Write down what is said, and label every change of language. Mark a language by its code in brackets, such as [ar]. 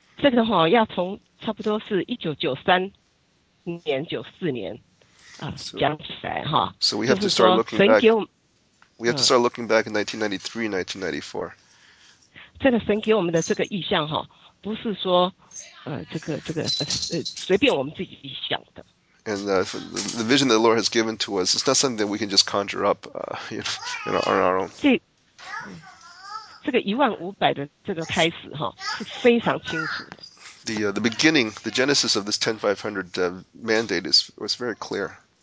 [zh] 这个哈要从差不多是1993年、94年啊讲起来哈。So [en] we have to start looking back. We have to start looking back in 1993, 1994. [zh] 这个神给我们的这个意象哈，不是说随便我们自己想的。And [en] the vision that the Lord has given to us is not something that we can just conjure up, you know, on our own. [zh] 这个1500的这个开始哈是非常清楚的。 [en] The beginning, the genesis of this 10500 mandate was very clear.